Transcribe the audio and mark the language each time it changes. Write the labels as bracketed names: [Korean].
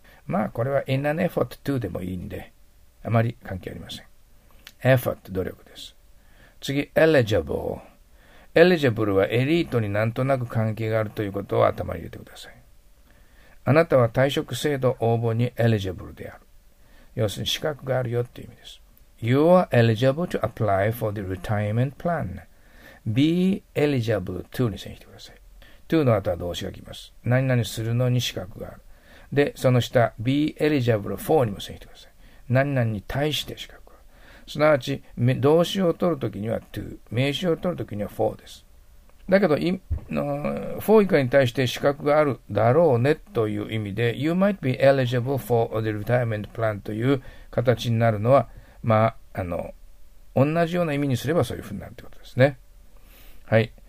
[Japanese] まあ、これは [English] in an effort to [Japanese] でもいいんで、あまり関係ありません。 effort、努力です。次、eligible。eligible はエリートになんとなく関係があるということを頭に入れてください。あなたは退職制度応募に eligible である。要するに資格があるよという意味です。 [English] You are eligible to apply for the retirement plan. be eligible to [Japanese] に線引いてください。 to の後は動詞が来ます。何々するのに資格がある。で、その下、 [English] be eligible for [Japanese] にも線引いてください。何々に対して資格がある。すなわち、動詞を取るときには to、名詞を取るときには for です。だけど、4以下に対して資格があるだろうねという意味で、 [English] You might be eligible for the retirement plan [Japanese] という形になるのは、まあ、同じような意味にすればそういうふうになるということですね。はい。